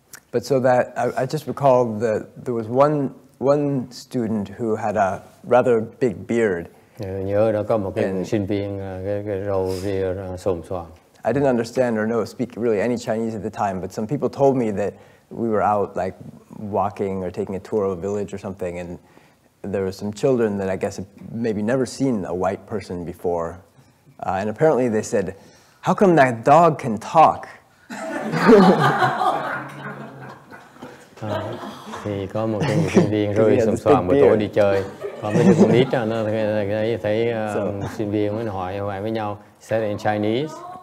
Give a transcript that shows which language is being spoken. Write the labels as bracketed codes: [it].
[en] But so that I just recall that there was one student who had a rather big beard. [vi] Nhớ đó có một cái người sinh viên cái râu ria xồm xoàm. [en] I didn't understand or speak really any Chinese at the time, but some people told me that we were out like walking or taking a tour of a village or something, and there were some children that I guess had maybe never seen a white person before. And apparently they said, how come that dog can talk? [vi] Thì có một cái sinh viên rơi xồm xoàm buổi tối đi chơi. Có mấy đứa con nít nó thấy sinh viên mới hỏi hoài với nhau. Said in Chinese.